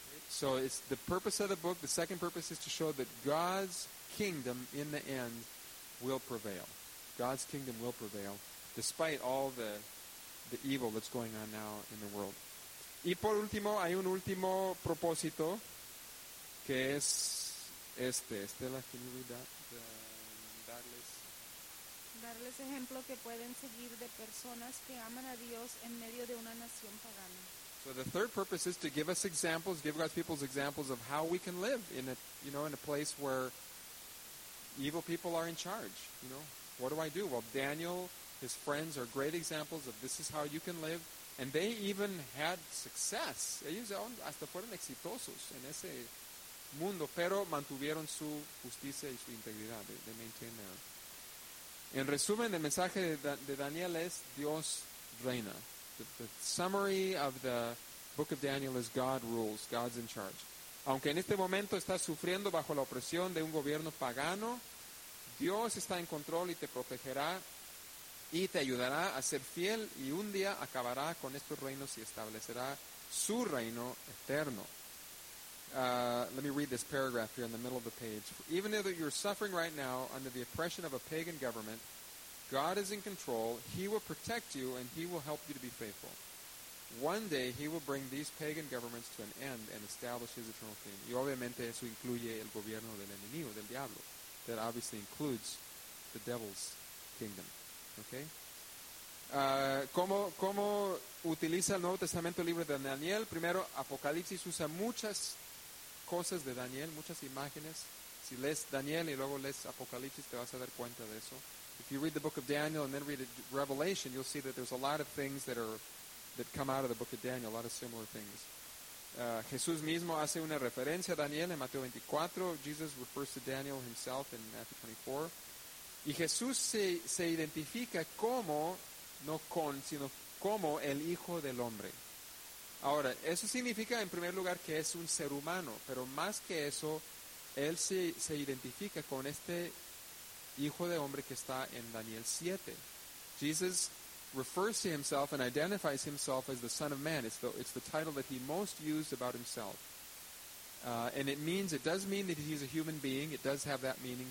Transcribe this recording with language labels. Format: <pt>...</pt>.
<en>So it's the purpose of the book, the second purpose is to show that God's kingdom in the end will prevail. God's kingdom will prevail. Despite all the evil that's going on now in the world.</en> <es>Y por último, hay un último propósito, que es este.</es> <en>Estela, can you read that?</en> <es>Darles ejemplo que pueden seguir de personas que aman a Dios en medio de una nación pagana.</es> <en>So the third purpose is to give us examples, give God's people examples of how we can live in a, you know, in a place where evil people are in charge. You know, what do I do? Well, Daniel... His friends are great examples of this is how you can live. And they even had success.</en> <es>Ellos hasta fueron exitosos en ese mundo, pero mantuvieron su justicia y su integridad.</es> <en>They maintained their...</en> <es>En resumen, el mensaje de Daniel es Dios reina.</es> <en>The summary of the book of Daniel is God rules. God's in charge.</en> <es>Aunque en este momento estás sufriendo bajo la opresión de un gobierno pagano, Dios está en control y te protegerá. Y te ayudará a ser fiel y un día acabará con estos reinos y establecerá su reino eterno.</es> <en>Let me read this paragraph here in the middle of the page. Even though you're suffering right now under the oppression of a pagan government, God is in control. He will protect you and he will help you to be faithful. One day he will bring these pagan governments to an end and establish his eternal kingdom.</en> <es>Y obviamente eso incluye el gobierno del enemigo, del diablo.</es> <en>That obviously includes the devil's kingdom.</en> <es>Okay. ¿Cómo utiliza el Nuevo Testamento el libro de Daniel? Primero, Apocalipsis usa muchas cosas de Daniel, muchas imágenes. Si lees Daniel y luego lees Apocalipsis, te vas a dar cuenta de eso.</es> <en>If you read the book of Daniel and then read Revelation, you'll see that there's a lot of things that come out of the book of Daniel, a lot of similar things.</en> <es>Jesús mismo hace una referencia a Daniel en Mateo 24.</es> <en>Jesus refers to Daniel himself in Matthew 24.</en> <es>Y Jesús se identifica como, no con, sino como el Hijo del Hombre. Ahora, eso significa en primer lugar que es un ser humano, pero más que eso, Él se identifica con este Hijo de Hombre que está en Daniel 7.</es> <en>Jesus refers to himself and identifies himself as the Son of Man. It's the title that he most used about himself. And it does mean that he's a human being. It does have that meaning.</en>